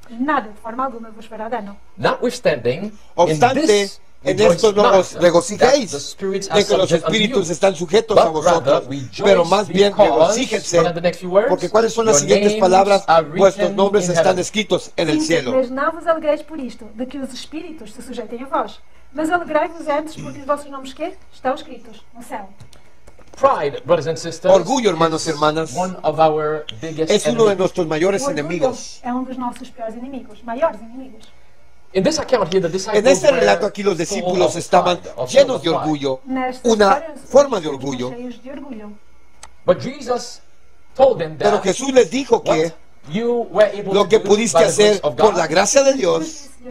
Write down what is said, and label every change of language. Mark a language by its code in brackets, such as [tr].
[pt] Nada de forma alguma vos fará dano. [en] Notwithstanding, [es] obstante, en esto no os regocijéis de que los espíritus están sujetos a vosotros, pero más bien regocíjense, porque ¿cuáles son las siguientes palabras? Vuestros nombres están escritos en el cielo. [pt] Mas não vos alegreis por isto, de que os espíritos se sujeitem a vós, mas alegrai-vos antes porque os vossos nomes que estão escritos no céu. [en] Pride, brothers and sisters, [es] orgullo, hermanos y hermanas, [en] one of our biggest [es] es uno [en] enemies. [es] De nuestros mayores enemigos. Es uno de nuestros peores enemigos, mayores enemigos. [en] In this account here, the disciples [es] en este relato aquí los discípulos estaban llenos de orgullo, una forma de orgullo. [en] But Jesus told them that [es] pero Jesús les dijo que [en] you were able [es] lo que pudiste hacer por la gracia de Dios